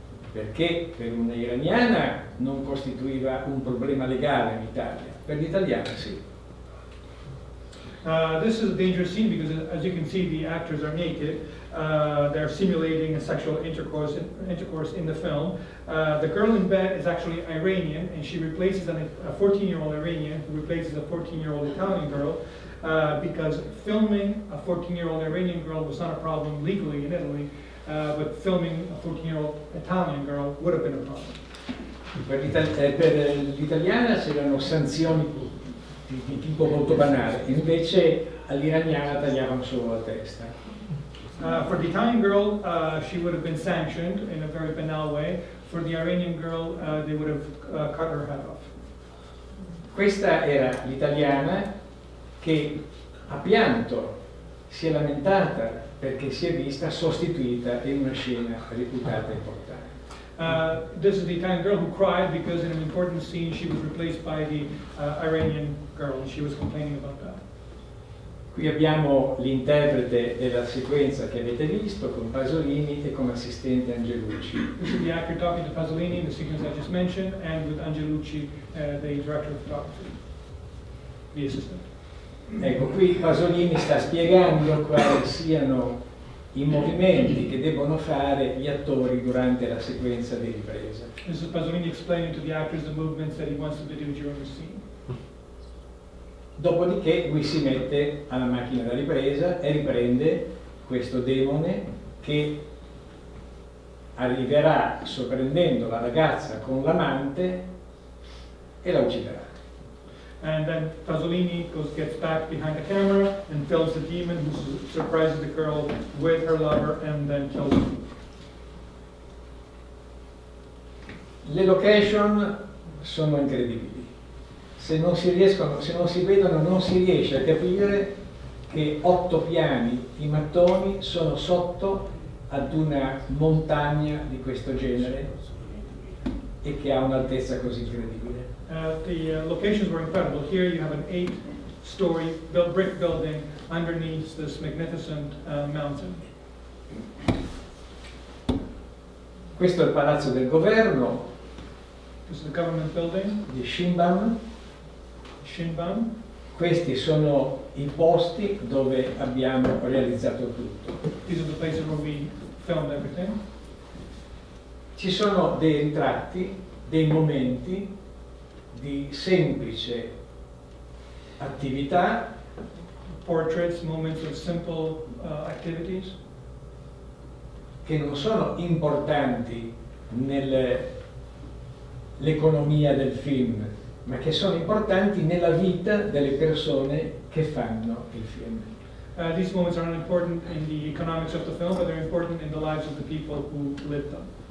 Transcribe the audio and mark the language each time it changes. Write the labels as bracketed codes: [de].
[it] Perché per una iraniana non costituiva un problema legale in Italia, per l'italiana sì. [en] This is a dangerous scene because, as you can see, the actors are naked. They're simulating a sexual intercourse in the film. The girl in bed is actually Iranian, and she replaces a 14-year-old Iranian who replaces a 14-year-old Italian girl because filming a 14-year-old Iranian girl was not a problem legally in Italy. But filming a 14-year-old Italian girl would have been a problem. [it] Per l'italiana c'erano sanzioni di tipo molto banale, invece all'iraniana tagliavano solo la testa. [en] For the Italian girl, she would have been sanctioned in a very banal way. For the Iranian girl, they would have cut her head off. [it] Questa era l'italiana che ha pianto, si è lamentata perché si è vista sostituita in una scena reputata importante. [en] This is the Italian girl who cried because in an important scene she was replaced by the Iranian girl and she was complaining about that. [it] Qui abbiamo l'interprete della sequenza che avete visto con Pasolini e con assistente Angelucci. [en] This is the actor talking to Pasolini in the sequence I just mentioned and with Angelucci, the director of photography, the assistant. [it] Ecco, qui Pasolini sta spiegando quali siano i movimenti che devono fare gli attori durante la sequenza di ripresa. [en] This is Pasolini explaining to the actors the movements that he wants them to do during the scene. [it] Dopodiché lui si mette alla macchina da ripresa e riprende questo demone che arriverà sorprendendo la ragazza con l'amante e la ucciderà. [en] And then Pasolini goes, gets back behind the camera and films the demon who surprises the girl with her lover and then kills him. [it] Le location sono incredibili. Se non si riescono, se non si vedono, non si riesce a capire che otto piani di mattoni sono sotto ad una montagna di questo genere e che ha un'altezza così incredibile. [en] The locations were incredible. Here you have an eight-story brick building underneath this magnificent mountain. [it] Questo è il palazzo del governo. [en] This is the government building. [it] Di Shinban. [en] Shinban. [it] Questi sono i posti dove abbiamo realizzato tutto. [en] These are the places where we filmed everything. [it] Ci sono dei ritratti, dei momenti di semplice attività. [en] Portraits, moments of simple activities. [it] Che non sono importanti nelle l'economia del film, ma che sono importanti nella vita delle persone che fanno il film. [en] These moments are not important in the economics of the film, but they're important in the lives of the people who live them.